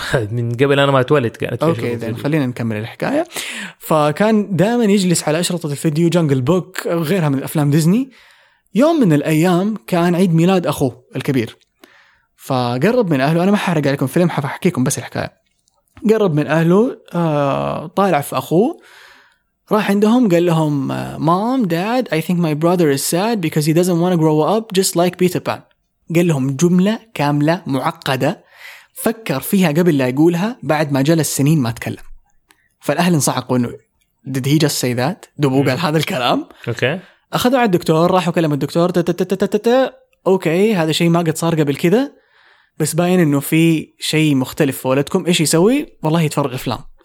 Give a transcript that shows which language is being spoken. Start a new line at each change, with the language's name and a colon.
Arabic: من قبل أنا ما أتولد كانت. أوكي إذن خلينا نكمل الحكاية. فكان دائما يجلس على أشرطة الفيديو، جانجل بوك، غيرها من أفلام ديزني. يوم من الأيام كان عيد ميلاد أخوه الكبير، فقرب من أهله، أنا ما حرق عليكم فيلم، حأحكيكم بس الحكاية. قرب من أهله، طالع في أخوه، راح عندهم قال لهم مام داد
English: I think my brother is sad because he doesn't want to grow up just like Peter Pan.
Arabic: قال لهم جملة كاملة معقدة فكر فيها قبل لا يقولها بعد ما جلس سنين ما تكلم. فالأهل انصحقوا إنه
English: did he just say that،
Arabic: دبوا قال هذا الكلام.
English: okay.
Arabic: أخذوا على الدكتور، راحوا كلموا الدكتور، أوكي هذا شيء ما قد صار قبل كذا، بس باين انه في شيء مختلف في ولدكم، ايش يسوي؟ والله يتفرج افلام.